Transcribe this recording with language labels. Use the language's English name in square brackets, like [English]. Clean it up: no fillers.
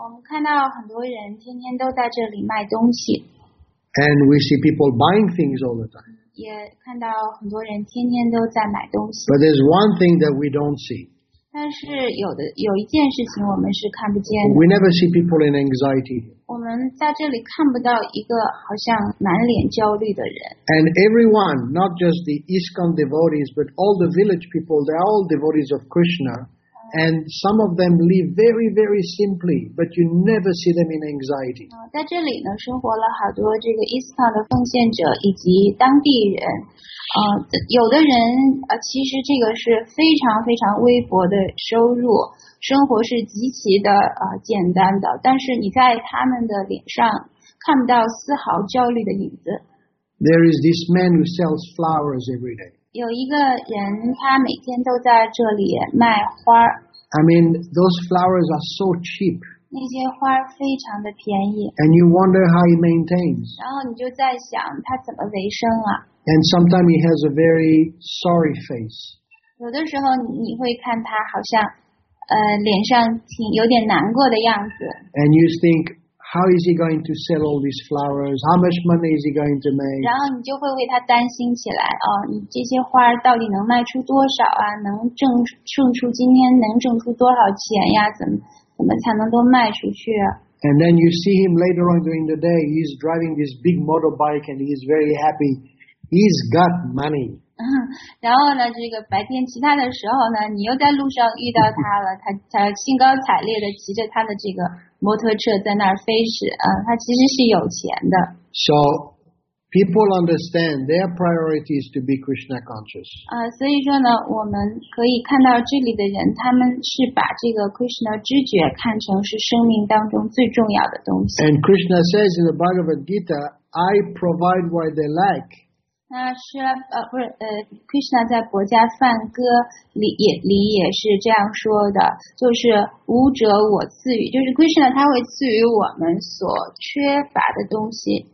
[Chinese] 我们看到很多人天天都在这里卖东西。 [English] And we see people buying things all the time. [Chinese] 也看到很多人天天都在买东西。 [English] But there's one thing that we don't see. [Chinese] 但是有一件事情我们是看不见的。 [English] We never see people in anxiety. [Chinese] 我们在这里看不到一个好像满脸焦虑的人。 [English] And everyone, not just the ISKCON devotees, but all the village people, they're all devotees of Krishna. And some of them live very, very simply, but you never see them in anxiety. [Chinese] 在这里呢，生活了好多这个 ISKCON 的奉献者以及当地人。有的人其实这个是非常非常微薄的收入，生活是极其的简单的，但是你在他们的脸上看不到丝毫焦虑的影子。 [English] There is this man who sells flowers every day. [Chinese] 有一个人他每天都在这里卖花。 [English] I mean, those flowers are so cheap. [Chinese] 那些花非常的便宜。 [English] And you wonder how he maintains. [Chinese] 然后你就在想他怎么维生啊。 [English] And sometimes he has a very sorry face. [Chinese] 有的时候你会看他好像脸上挺有点难过的样子。 [English] And you think, how is he going to sell all these flowers? How much money is he going to make? [Chinese] 然后你就会为他担心起来，你这些花到底能卖出多少啊，能挣出今天能挣出多少钱呀，怎么才能都卖出去啊。 [English] And then you see him later on during the day, he's driving this big motorbike and he's very happy. He's got money. [Chinese] 然后呢，这个白天其他的时候呢，你又在路上遇到他了，他兴高采烈的骑着他的这个摩托车在那儿飞驰，他其实是有钱的。 [English] So people understand their priority is to be Krishna conscious. [Chinese] 所以说呢，我们可以看到这里的人，他们是把这个 Krishna 知觉看成是生命当中最重要的东西。 [English] And Krishna says in the Bhagavad Gita, I provide what they lack. [Chinese] Krishna 在《薄伽梵歌》里也是这样说的，就是无者我赐予，就是 Krishna 他会赐予我们所缺乏的东西。